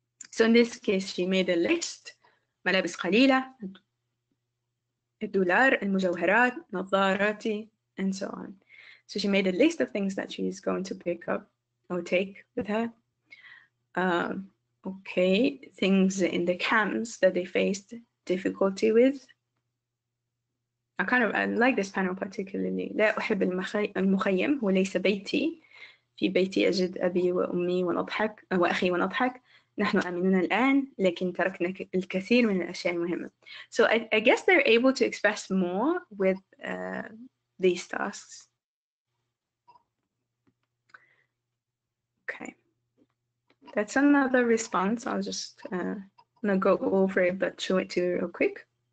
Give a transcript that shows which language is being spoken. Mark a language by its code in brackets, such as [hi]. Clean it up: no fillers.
[en] So in this case, she made a list: [ar] ملابس قليلة, الدولار, المجوهرات, نظاراتي, [en] and so on. So she made a list of things that she is going to pick up I'll take with her. Okay, things in the camps that they faced difficulty with. I kind of I like this panel particularly. [ar] لا أحب المخيم هو ليس بيتي. في بيتي أجد أبي وأمي ونضحك وأخي ونضحك. نحن آمنون الآن لكن تركنا الكثير من الأشياء المهمة. [en] So I guess they're able to express more with these tasks. Okay. That's another response. I'll just not go over it, but show it to you real quick.